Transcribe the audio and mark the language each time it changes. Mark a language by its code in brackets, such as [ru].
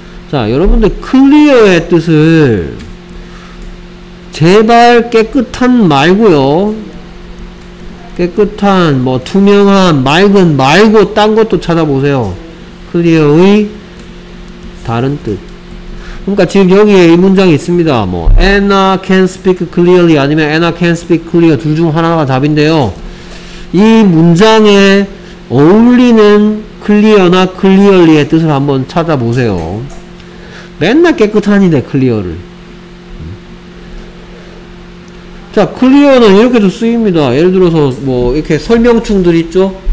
[ko] 자, 여러분들, 클리어의 뜻을, 제발 깨끗한 말고요. 깨끗한, 뭐, 투명한, 맑은 말고, 딴 것도 찾아보세요. 클리어의 다른 뜻. 그러니까 지금 여기에 이 문장이 있습니다. [en] 뭐 Anna can speak clearly 아니면 Anna can speak clear [ko] 둘 중 하나가 답인데요. 이 문장에 어울리는 clear나 clearly의 뜻을 한번 찾아보세요. 맨날 깨끗한이네 clear를. 자 clear는 이렇게도 쓰입니다. 예를 들어서 뭐 이렇게 설명충들 있죠.